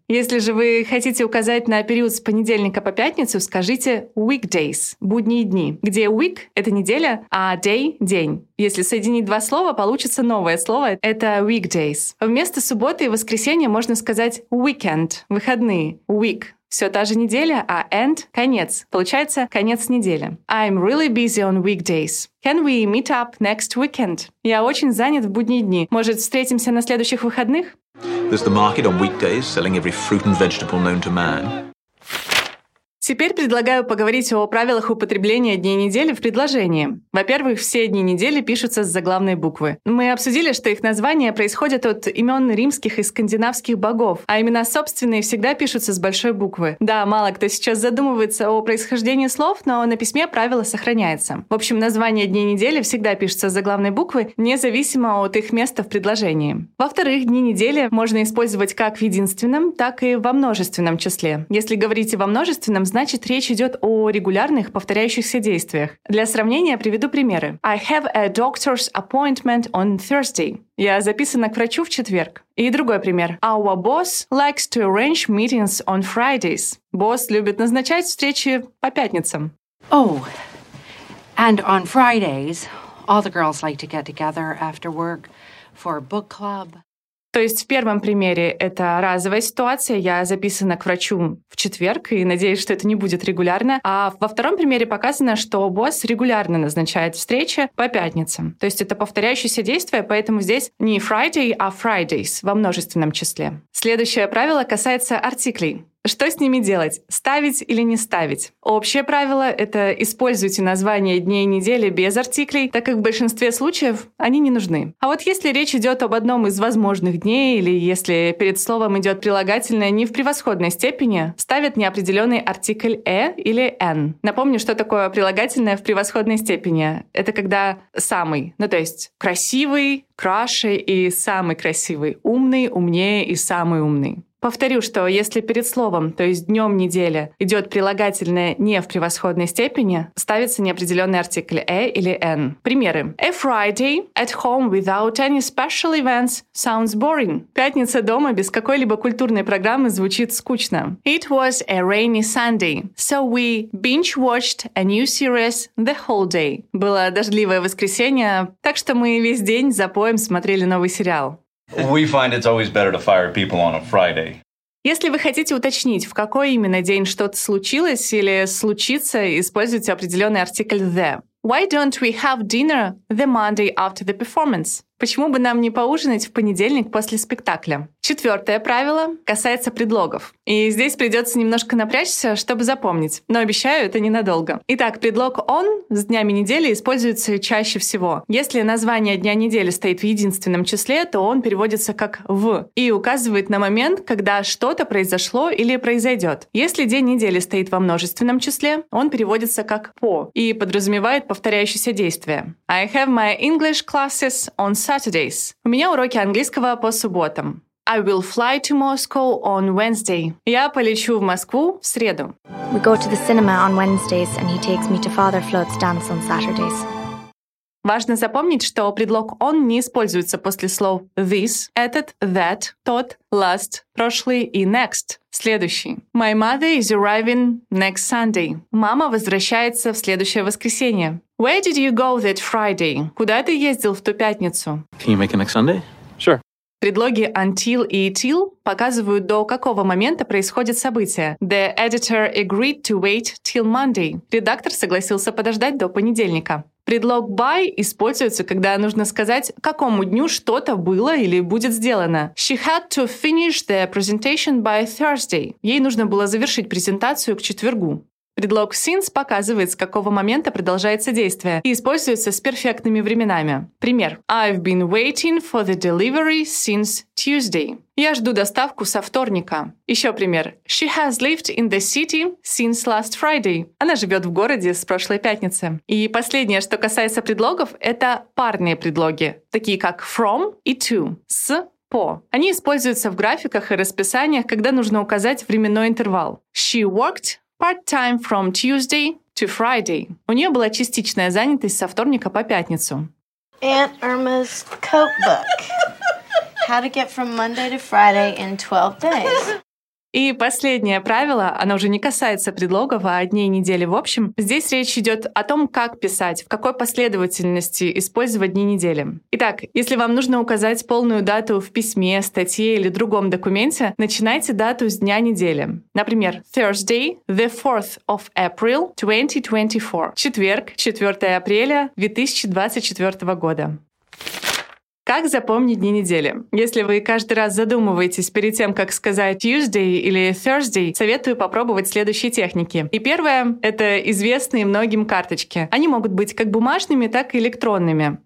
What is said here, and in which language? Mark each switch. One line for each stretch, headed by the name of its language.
Russian: Если же вы хотите указать на период с понедельника по пятницу, скажите weekdays – будние дни, где week – это неделя, а day – день. Если соединить два слова, получится новое слово – это weekdays. Вместо субботы и воскресенья можно сказать weekend – выходные, week. Все та же неделя, а end – конец. Получается, конец недели.
English: I'm really busy on weekdays. Can we meet up next weekend?
Russian: Я очень занят в будние дни. Может, встретимся на следующих выходных?
English: There's the market on weekdays, selling every fruit and vegetable known to man.
Russian: Теперь предлагаю поговорить о правилах употребления дней недели в предложении. Во-первых, все дни недели пишутся с заглавной буквы. Мы обсудили, что их названия происходят от имен римских и скандинавских богов, а имена собственные всегда пишутся с большой буквы. Да, мало кто сейчас задумывается о происхождении слов, но на письме правило сохраняется. В общем, названия дней недели всегда пишутся с заглавной буквы, независимо от их места в предложении. Во-вторых, дни недели можно использовать как в единственном, так и во множественном числе. Если говорить во множественном, значит, речь идет о регулярных повторяющихся действиях. Для сравнения приведу примеры.
English: I have a doctor's appointment on Thursday.
Russian: Я записана к врачу в четверг. И другой пример.
English: Our boss likes to arrange meetings on Fridays.
Russian: Босс любит назначать встречи по пятницам.
English: Oh, and on Fridays all the girls like to get together after work for a book club.
Russian: То есть в первом примере это разовая ситуация, я записана к врачу в четверг и надеюсь, что это не будет регулярно. А во втором примере показано, что босс регулярно назначает встречи по пятницам. То есть это повторяющееся действие, поэтому здесь не Friday, а Fridays во множественном числе. Следующее правило касается артиклей. Что с ними делать? Ставить или не ставить? Общее правило – это используйте названия дней недели без артиклей, так как в большинстве случаев они не нужны. А вот если речь идет об одном из возможных дней или если перед словом идет прилагательное не в превосходной степени, ставят неопределенный артикль «э» или «н». Напомню, что такое прилагательное в превосходной степени. Это когда «самый», ну то есть «красивый», «краше» и «самый красивый», «умный», «умнее» и «самый умный». Повторю, что если перед словом, то есть днем недели, идет прилагательное «не в превосходной степени», ставится неопределенный артикль «э» или «н». Примеры.
English: A Friday at home without any special events sounds boring.
Russian: Пятница дома без какой-либо культурной программы звучит скучно.
English: It was a rainy Sunday, so we binge-watched a new series the whole day.
Russian: Было дождливое воскресенье, так что мы весь день запоем смотрели новый сериал.
English: We find it's always better to fire people on a Friday.
Russian: Если вы хотите уточнить, в какой именно день что-то случилось или случится, используйте определенный артикль the.
English: Why don't we have dinner the Monday after the performance?
Russian: Почему бы нам не поужинать в понедельник после спектакля? Четвертое правило касается предлогов. И здесь придется немножко напрячься, чтобы запомнить. Но обещаю, это ненадолго. Итак, предлог on с днями недели используется чаще всего. Если название дня недели стоит в единственном числе, то он переводится как в и указывает на момент, когда что-то произошло или произойдет. Если день недели стоит во множественном числе, он переводится как по и подразумевает повторяющееся действие.
English: I have my English classes on Saturdays.
Russian: У меня уроки английского по субботам.
English: I will fly to Moscow on Wednesday.
Russian: Я полечу в Москву в среду.
English: We go to the cinema on Wednesdays and he takes me to Father Flood's dance on Saturdays.
Russian: Важно запомнить, что предлог «on» не используется после слов «this», «этот», «that», «тот», «last», «прошлый» и «next». Следующий.
English: My mother is arriving next Sunday.
Russian: Мама возвращается в следующее воскресенье.
English: Where did you go that Friday?
Russian: Куда ты ездил в ту пятницу?
English: Can you make it next Sunday? Sure.
Russian: Предлоги until и till показывают, до какого момента происходит событие.
English: The editor agreed to wait till Monday.
Russian: Редактор согласился подождать до понедельника. Предлог by используется, когда нужно сказать, какому дню что-то было или будет сделано.
English: She had to finish the presentation by Thursday.
Russian: Ей нужно было завершить презентацию к четвергу. Предлог since показывает, с какого момента продолжается действие, и используется с перфектными временами. Пример.
English: I've been waiting for the delivery since Tuesday.
Russian: Я жду доставку со вторника. Еще пример.
English: She has lived in the city since last Friday.
Russian: Она живет в городе с прошлой пятницы. И последнее, что касается предлогов, это парные предлоги, такие как from и to, с, по. Они используются в графиках и расписаниях, когда нужно указать временной интервал.
English: She worked part-time from Tuesday to Friday.
Russian: У нее была частичная занятость со вторника по пятницу.
English: Aunt Irma's coat book. How to get from Monday to Friday in 12 days.
Russian: И последнее правило, оно уже не касается предлогов, а дней недели в общем. Здесь речь идет о том, как писать, в какой последовательности использовать дни недели. Итак, если вам нужно указать полную дату в письме, статье или другом документе, начинайте дату с дня недели. Например,
English: Thursday, the 4th of April, 2024.
Russian: Четверг, 4 апреля 2024 года. Как запомнить дни недели? Если вы каждый раз задумываетесь перед тем, как сказать Tuesday или Thursday, советую попробовать следующие техники. И первое — это известные многим карточки. Они могут быть как бумажными, так и электронными.